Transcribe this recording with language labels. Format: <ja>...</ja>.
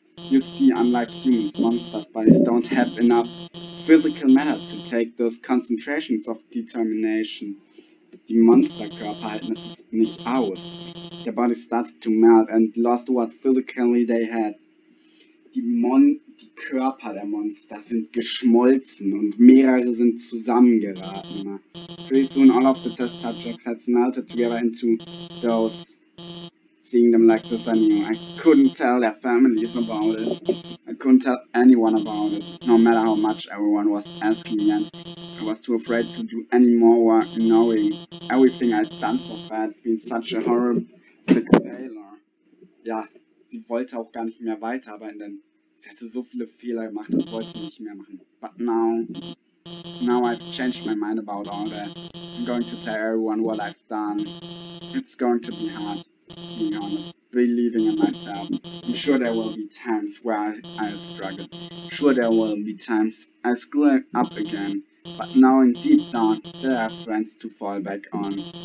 <en>You see, unlike humans, monsters' bodies don't have enough physical matter to take those concentrations of determination.</en> <de>Die Monsterkörper halten es nicht aus.</de> <en>Their bodies started to melt and lost what physically they had.</en> <de>Die Körper der Monster sind geschmolzen und mehrere sind zusammengeraten.</de> <en>Pretty soon all of the test subjects had melted together into those. Seeing them like this, I knew I couldn't tell their families about it. I couldn't tell anyone about it, no matter how much everyone was asking me, and I was too afraid to do any more work knowing everything I'd done so far had been such a horrible failure.</en> <de>Ja, sie wollte auch gar nicht mehr weiterarbeiten, denn sie hatte so viele Fehler gemacht und wollte nicht mehr machen.</de> <en>But now I've changed my mind about all that. I'm going to tell everyone what I've done. It's going to be hard. Being honest, believing in myself. I'm sure there will be times where I'll struggle. Sure there will be times I'll screw up again. But knowing deep down, there are friends to fall back on.</en>